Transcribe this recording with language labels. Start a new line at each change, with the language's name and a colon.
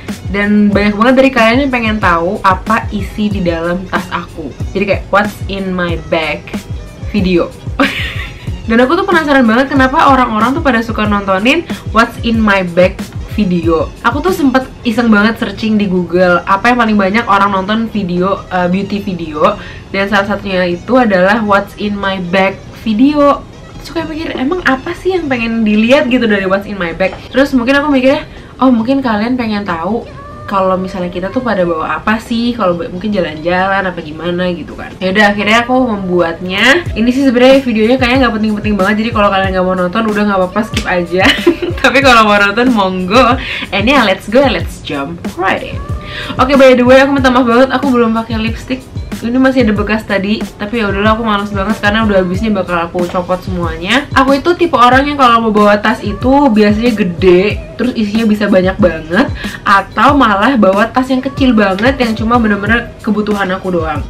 Indonesian: Dan banyak banget dari kalian yang pengen tahu apa isi di dalam tas aku. Jadi kayak
English: what's in my bag video.
Indonesian: Dan aku tuh penasaran banget kenapa orang-orang tuh pada suka nontonin
English: what's in my bag video.
Indonesian: Aku tuh sempet iseng banget searching di Google apa yang paling banyak orang nonton video
English: beauty video.
Indonesian: Dan salah satunya itu adalah
English: what's in my bag video.
Indonesian: Terus kayak mikir emang apa sih yang pengen dilihat gitu dari
English: what's in my bag.
Indonesian: Terus mungkin aku mikirnya, oh mungkin kalian pengen tahu kalau misalnya kita tuh pada bawa apa sih, kalau mungkin jalan-jalan apa gimana gitu kan. Ya udah akhirnya aku membuatnya. Ini sih sebenarnya videonya kayaknya nggak penting-penting banget, jadi kalau kalian nggak mau nonton udah nggak apa-apa, skip aja. Tapi kalau mau nonton monggo.
English: And yeah, let's go and let's jump right in. Okay, by the way
Indonesian: aku minta maaf banget, aku belum pakai lipstick. Ini masih ada bekas tadi, tapi ya udahlah aku malas banget karena udah habisnya bakal aku copot semuanya. Aku itu tipe orang yang kalau mau bawa tas itu biasanya gede, terus isinya bisa banyak banget, atau malah bawa tas yang kecil banget yang cuma bener-bener kebutuhan aku doang.